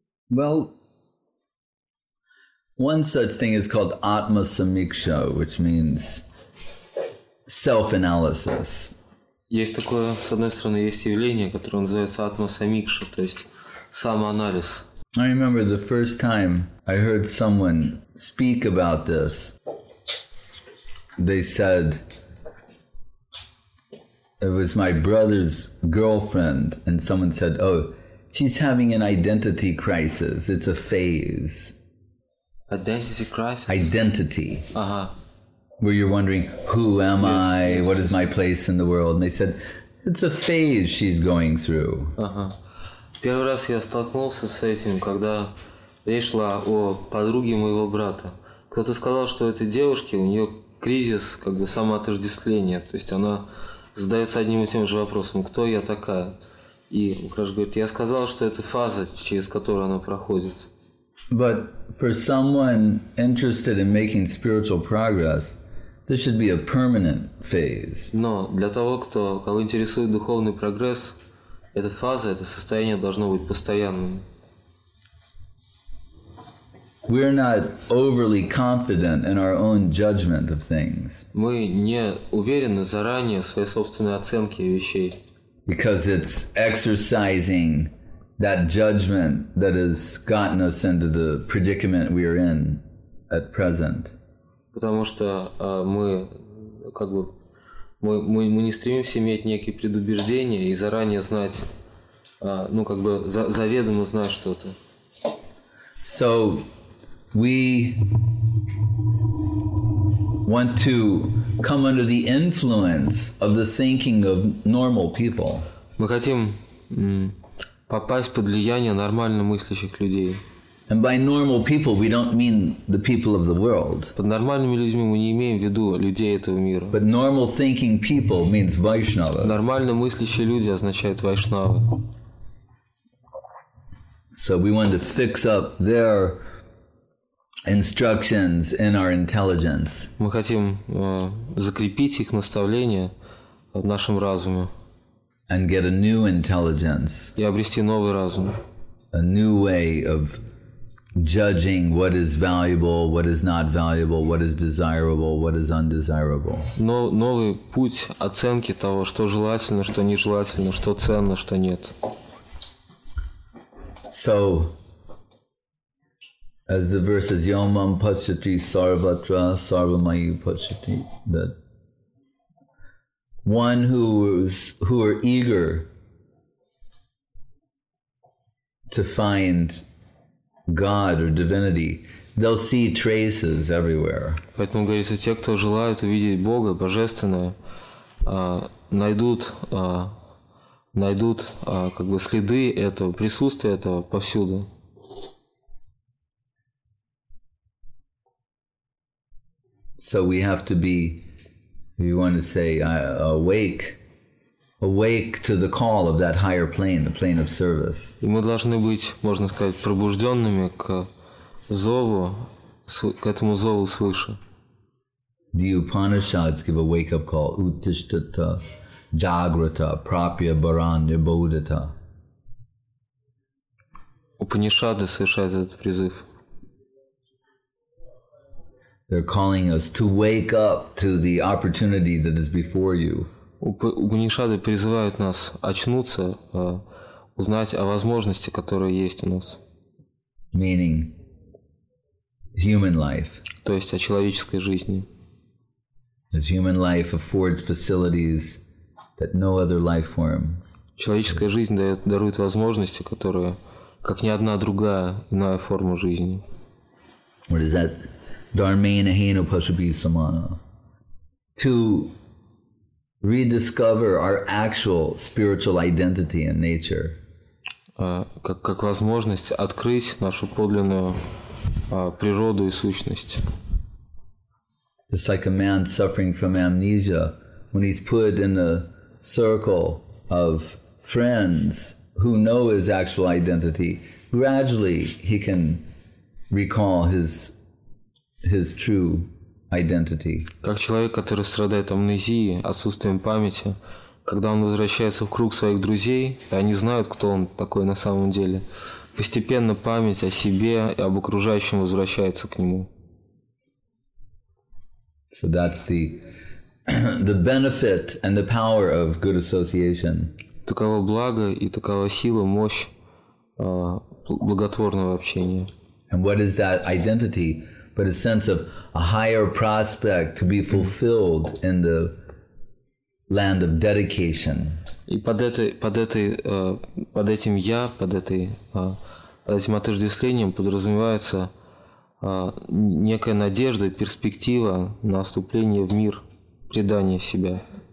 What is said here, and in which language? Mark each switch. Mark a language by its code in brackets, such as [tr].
[en] Well, one such thing is called Atma Samiksha, which means self-analysis. [ru] Есть такое, с одной стороны, есть явление, которое называется атма-самикша, то есть самоанализ. [en] I remember the first time I heard someone speak about this. They said it was my brother's girlfriend, and someone said, "Oh, she's having an identity crisis. It's a phase." Identity crisis. Identity. Uh-huh. Where you're wondering, who am I? Yes, what is my place in the world? And they said, it's a phase she's going through. Uh-huh. [ru] Первый раз я столкнулся с этим, когда речь шла о подруге моего брата. Кто-то сказал, что этой девушке у нее кризис как бы самоотождествления. То есть она задается одним и тем же вопросом, кто я такая? И Украш говорит, я сказал, что это фаза, через которую она проходит. [en] But for someone interested in making spiritual progress, this should be a permanent phase. [ru] Но для того, кого интересует духовный прогресс, эта фаза, это состояние должно быть постоянным. [en] We're not overly confident in our own judgment of things. [ru] Мы не уверены заранее в своей собственной оценке вещей. [en] Because it's exercising that judgment that has gotten us into the predicament we are in at present. [ru] Потому что мы как бы мы не стремимся иметь некие предубеждения и заранее знать, ну как бы заведомо знать что-то. [en] So we want to come under the influence of the thinking of normal people. [ru] Мы хотим попасть под влияние нормально мыслящих людей. [en] And by normal people, we don't mean the people of the world. [ru] Под нормальными людьми мы не имеем в виду людей этого мира. [en] But normal thinking people means Vaishnavas. [ru] Нормально мыслящие люди означают вайшнавы. [en] So we want to fix up their instructions in our intelligence. [ru] Мы хотим закрепить их наставления в нашем разуме. [en] And get a new intelligence. [ru] И обрести новый разум. [en] A new way of judging what is valuable, what is not valuable, what is desirable, what is undesirable. [ru] Новый путь оценки того, что желательно, что нежелательно, что ценно, что нет. [en] So, as the verse is, [sa] Yomam Pashyati Sarvatra Sarvamayi Pashyati, [en] that one who are eager to find God or divinity, they'll see traces everywhere. [ru] Поэтому говорится, те, кто желают увидеть Бога, божественное, найдут как бы следы этого, присутствие этого повсюду. [en] So we have to be, if you want to say, awake to the call of that higher plane, the plane of service. [ru] И мы должны быть, можно сказать, пробужденными к зову, к этому зову свыше. [en] The Upanishads give a wake-up call: [sa] Uttishtata, Jagrata, Prapya Bharan, Nibodhita. [ru] Упанишады совершают этот призыв. [en] They're calling us to wake up to the opportunity that is before you. [ru] Упанишады призывают нас очнуться, узнать о возможности, которая есть у нас. [en] Meaning human life. [ru] То есть о человеческой жизни. [en] As human life affords facilities that no other life form. [ru] Человеческая жизнь дарует возможности, которые как ни одна другая иная форма жизни. [en] What is that? [sa] Dharmena Heno Pashupi Samana. [en] To rediscover our actual spiritual identity and nature. [ru] как возможность открыть нашу подлинную природу и сущность. [en] It's like a man suffering from amnesia when he's put in a circle of friends who know his actual identity. Gradually, he can recall his true identity. [ru] Как человек, который страдает амнезией, отсутствием памяти, когда он возвращается в круг своих друзей, и они знают, кто он такой на самом деле, постепенно память о себе и об окружающем возвращается к нему. [en] So that's the benefit and the power of good association. [ru] Таково благо и такова сила, мощь благотворного общения. [en] And what is that identity? But a sense of a higher prospect to be fulfilled in the land of dedication. [ru] И под этим отождествлением подразумевается некая надежда, перспектива на вступление в мир предания себя.